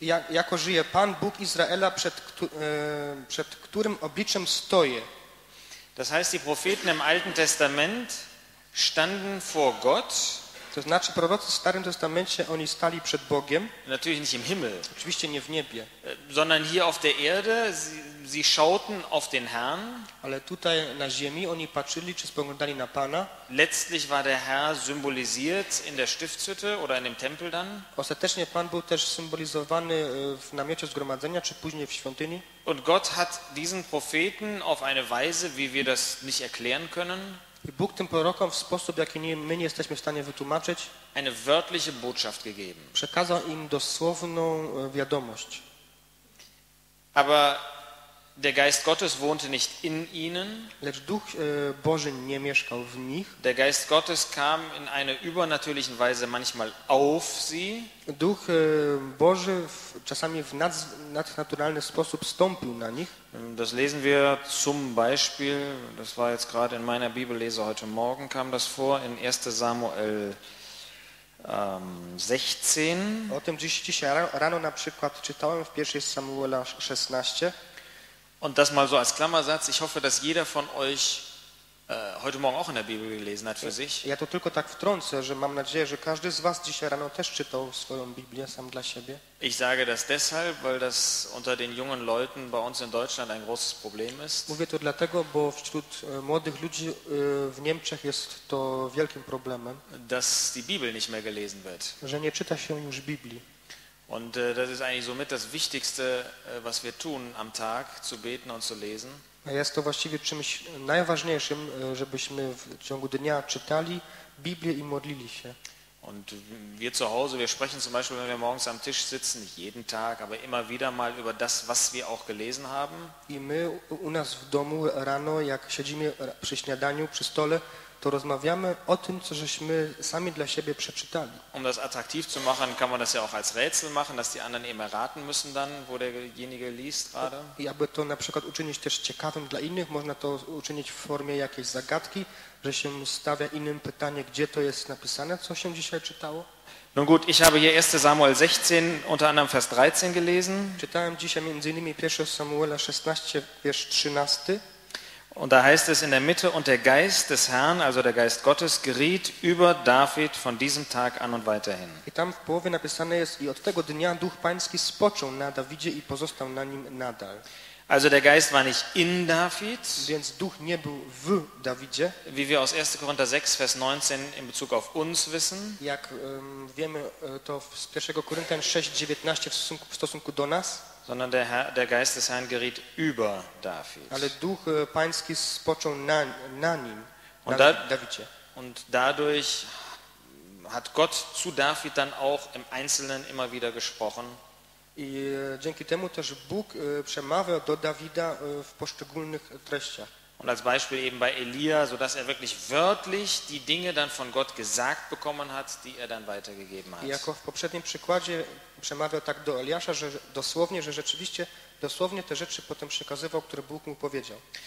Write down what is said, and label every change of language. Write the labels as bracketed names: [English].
[Polish] Jako żyje Pan Bóg Izraela, przed którym obliczem stoję. [German] Das heißt, die Propheten im Alten Testament standen vor Gott. [Polish] To znaczy, prorocy w Starym Testamencie, oni stali przed Bogiem. [German] Natürlich nicht im Himmel. [Polish] Oczywiście nie w niebie. [German] Sondern hier auf der Erde, sie schauten auf den Herrn. [Polish] Ale tutaj na ziemi oni patrzyli, czy spoglądali na Pana. [German] Letztlich war der Herr symbolisiert in der Stiftshütte oder in dem Tempel dann. [Polish] Ostatecznie Pan był też symbolizowany w namiocie zgromadzenia, czy później w świątyni. [German] Und Gott hat diesen Propheten auf eine Weise, wie wir das nicht erklären können. [Polish] I Bóg tym prorokom w sposób, jaki my nie jesteśmy w stanie wytłumaczyć, [German] eine wörtliche Botschaft gegeben. [Polish] Przekazał im dosłowną wiadomość. [German] Aber der Geist Gottes wohnte nicht in ihnen. [Polish] Lecz Duch Boży nie mieszkał w nich. [German] Der Geist Gottes kam in einer übernatürlichen Weise manchmal auf sie. [Polish] Duch Boży czasami w nadnaturalny sposób stąpił na nich. [German] Das lesen wir zum Beispiel, das war jetzt gerade in meiner Bibellese heute Morgen, kam das vor, in 1. Samuel 16. [Polish] O tym dzisiaj rano na przykład czytałem w 1. Samuela 16. [German] Und das mal so als Klammersatz. Ich hoffe, dass jeder von euch heute Morgen auch in der Bibel gelesen hat für sich. [Polish] Ja, to tylko tak wtrącę, że mam nadzieję, że każdy z was dzisiaj rano też czytał swoją Biblię sam dla siebie. [German] Ich sage das deshalb, weil das unter den jungen Leuten bei uns in Deutschland ein großes Problem ist. [Polish] Mówię to dlatego, bo wśród młodych ludzi w Niemczech jest to wielkim problemem. [German] Dass die Bibel nicht mehr gelesen wird. [Polish] Że nie czyta się już Biblii. [German] Und das ist eigentlich somit das Wichtigste, was wir tun am Tag, zu beten und zu lesen. [Polish] Jest to właściwie czymś najważniejszym, żebyśmy w ciągu dnia czytali Biblię i modlili się. [German] Und wir zu Hause, wir sprechen zum Beispiel, wenn wir morgens am Tisch sitzen, nicht jeden Tag, aber immer wieder mal über das, was wir auch gelesen haben. [Polish] I my u nas w domu rano, jak siedzimy przy śniadaniu, przy stole, to rozmawiamy o tym, co żeśmy sami dla siebie przeczytali. [German] Um das attraktiv zu machen, kann man das ja auch als Rätsel machen, dass die anderen eben erraten müssen dann, wo derjenige liest gerade. [Polish] I aby to na przykład uczynić też ciekawym dla innych, można to uczynić w formie jakiejś zagadki, że się stawia innym pytanie, gdzie to jest napisane, co się dzisiaj czytało. [German] Nun gut, ich habe hier 1. Samuel 16, unter anderem Vers 13 gelesen. [Polish] Czytałem dzisiaj między innymi 1. Samuela 16, wiersz 13. [German] Und da heißt es in der Mitte, und der Geist des Herrn, also der Geist Gottes, geriet über David von diesem Tag an und weiterhin. [Polish] I tam w połowie napisane jest, i od tego dnia Duch Pański spoczął na Dawidzie i pozostał na nim nadal. [German] Also der Geist war nicht in David, [Polish] więc Duch nie był w Dawidzie, [German] wie wir aus 1. Korinther 6, Vers 19 in Bezug auf uns wissen. [Polish] Jak wiemy to z 1. Korinther 6, 19 w stosunku do nas. [German] Sondern der Geist des Herrn geriet über David. [Polish] Ale Duch Pański spoczął na nim, Dawidzie. [German] Und dadurch hat Gott zu David dann auch im Einzelnen immer wieder gesprochen. [Polish] I dzięki temu też Bóg przemawiał do Dawida w poszczególnych treściach. [German] Und als Beispiel eben bei Elia, sodass er wirklich wörtlich die Dinge dann von Gott gesagt bekommen hat, die er dann weitergegeben hat. [Polish] I jako w poprzednim przykładzie przemawiał tak do Eliasza, że rzeczywiście dosłownie te rzeczy potem przekazywał, które Bóg mu powiedział.